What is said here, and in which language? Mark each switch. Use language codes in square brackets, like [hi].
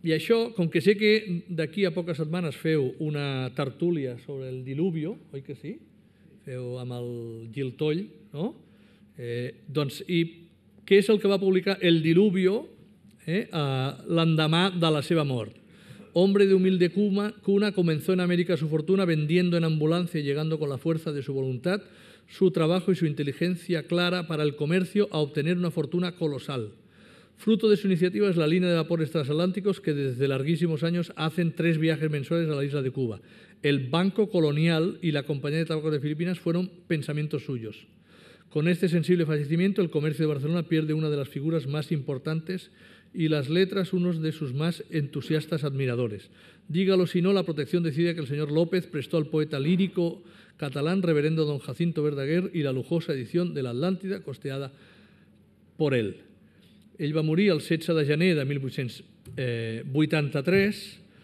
[ca] I això, com que sé que d'aquí a poques setmanes feu una tertúlia sobre el Diluvio, oi que sí? Feu amb el Gil Toll, no? Doncs, i què és el que va publicar El Diluvio l'endemà de la seva mort? [es] Hombre de humilde cuna, comenzó en América su fortuna vendiendo en ambulancia y llegando con la fuerza de su voluntad, su trabajo y su inteligencia clara para el comercio a obtener una fortuna colosal. Fruto de su iniciativa es la línea de vapores transatlánticos que desde larguísimos años hacen 3 viajes mensuales a la isla de Cuba. El Banco Colonial y la Compañía de Tabaco de Filipinas fueron pensamientos suyos. Con este sensible fallecimiento, el comercio de Barcelona pierde una de las figuras más importantes y las letras unos de sus más entusiastas admiradores. Dígalo si no, la protección decide que el señor López prestó al poeta lírico catalán reverendo don Jacinto Verdaguer y la lujosa edición de la Atlántida costeada por él. [ca] Ell va morir el 16 de gener de 1883.